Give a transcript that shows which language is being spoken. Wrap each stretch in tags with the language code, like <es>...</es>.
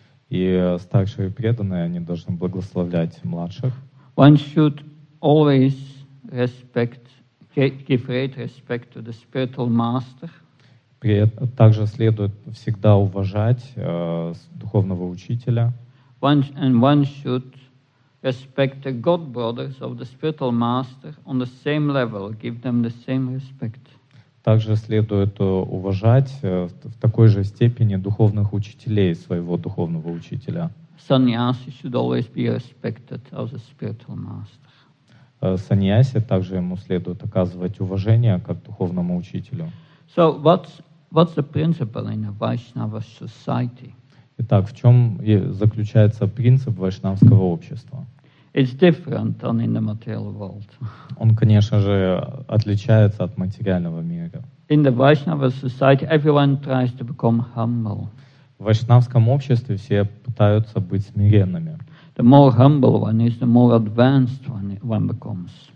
<ru>И старшие преданные, они должны благословлять младших.</ru> <en>One should always respect, give great respect to the spiritual master.</en> <ru>Также следует всегда уважать духовного учителя.</ru> <en>One should respect the god brothers of the spiritual master on the same level, give them the same respect.</en> <ru>Также следует уважать в такой же степени духовных учителей своего духовного учителя.</ru> <en>Саньяси should always be respected as a spiritual master.</en> <ru>Саньяси также ему следует оказывать уважение как духовному учителю.</ru> <en>So what's the principle in a Vaishnava society?</en> <ru>Итак, в чем заключается принцип вайшнавского общества?</ru> <en>It's different than in the material world.</en> <ru>Он, конечно же, отличается от материального мира.</ru> <en>In the Vaishnava society, everyone tries to become humble.</en> <ru>В вайшнавском обществе все пытаются быть смиренными.</ru> <en>The more humble one is, the more advanced one becomes.</en>